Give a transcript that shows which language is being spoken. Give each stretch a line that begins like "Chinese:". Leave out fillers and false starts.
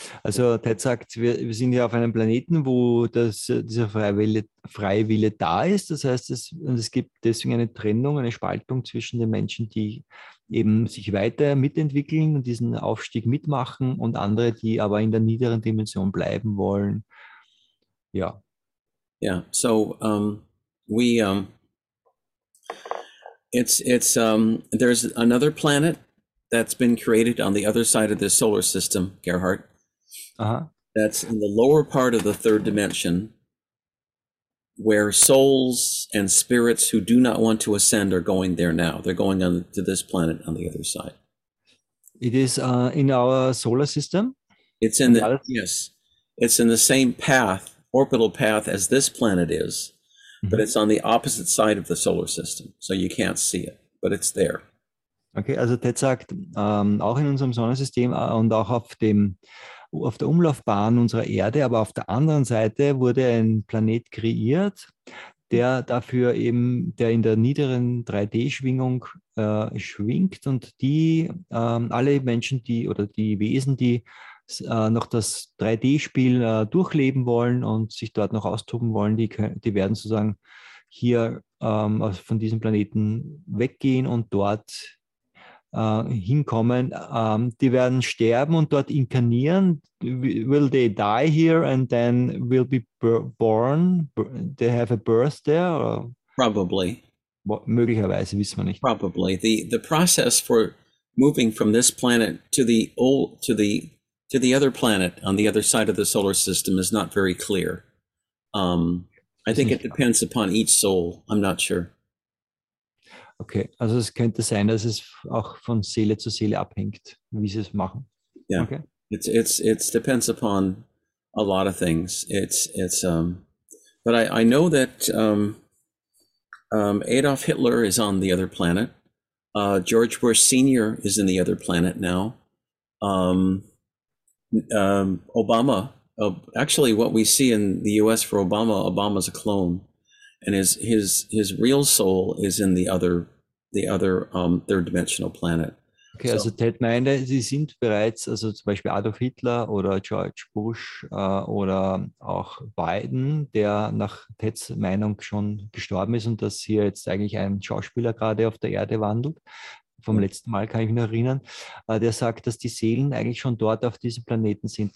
German: Also Ted sagt, wir sind hier auf einem Planeten, wo dieser Freiwille da ist. Das heißt, es gibt deswegen eine Trennung, eine Spaltung zwischen den Menschen, die eben sich weiter mitentwickeln und diesen Aufstieg mitmachen, und andere, die aber in der niederen Dimension bleiben wollen. Ja.
English: Yeah. So there's another planet that's been created on the other side of this solar system, Gerhard. Uh-huh. That's in the lower part of the third dimension, where souls and spirits who do not want to ascend are going there now. They're going on to this planet on the other side. It is in our solar system? It's in the, yes. It's in the same path, orbital path, as this planet is, mm-hmm. but it's on the opposite side of the solar system. So you can't see it, but it's there.
German: Okay, also Ted sagt, auch in unserem Sonnensystem und auch auf der Umlaufbahn unserer Erde, aber auf der anderen Seite wurde ein Planet kreiert, der dafür eben, der in der niederen 3D-Schwingung schwingt, und die alle Menschen, die oder die Wesen, die noch das 3D-Spiel durchleben wollen und sich dort noch austoben wollen, die werden sozusagen hier von diesem Planeten weggehen und dort hinkommen, die werden sterben und dort inkarnieren.
English: Will they die here and then will be born? They have a birth there? Or? Probably.
German: Möglicherweise, wissen wir nicht.
English: Probably. The process for moving from this planet to the other planet on the other side of the solar system is not very clear. I think it depends upon each soul. I'm not sure.
German: Okay, also es könnte sein, dass es auch von Seele zu Seele abhängt, wie sie es machen.
English: Yeah. Okay. It's depends upon a lot of things. But I know that Adolf Hitler is on the other planet. George Bush Senior is in the other planet now. Obama, actually what we see in the US for Obama's a clone. and his real soul is in the other third dimensional planet. Okay, so.
German: Also Ted meinte, sie sind bereits, also zum Beispiel Adolf Hitler oder George Bush oder auch Biden, der nach Teds Meinung schon gestorben ist und dass hier jetzt eigentlich ein Schauspieler gerade auf der Erde wandelt. Vom letzten Mal kann ich mich erinnern, der sagt, dass die Seelen eigentlich schon dort auf diesem Planeten sind.